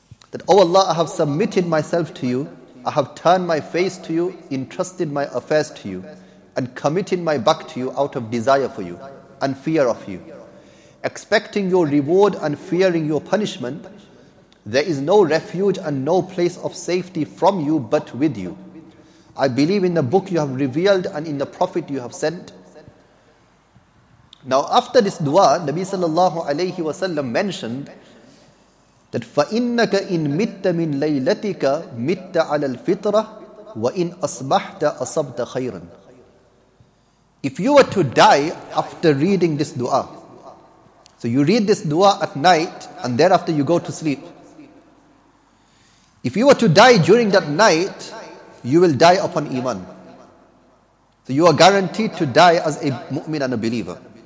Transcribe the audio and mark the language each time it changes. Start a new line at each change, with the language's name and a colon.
English: That, O Allah, I have submitted myself to you, I have turned my face to you, entrusted my affairs to you, and committed my back to you out of desire for you and fear of you. Expecting your reward and fearing your punishment, there is no refuge and no place of safety from you but with you. I believe in the book you have revealed and in the prophet you have sent. Now after this dua, Nabi sallallahu alayhi wa sallam mentioned that
Arabic: فَإِنَّكَ إِن مِتَّ مِن لَيْلَتِكَ مِتَّ عَلَى الْفِطْرَةِ وَإِن أَصْبَحْتَ أَصَبْتَ خَيْرًا.
English: If you were to die after reading this dua, so you read this dua at night and thereafter you go to sleep. If you were to die during that night, you will die upon iman. So you are guaranteed to die as a mu'min and a believer.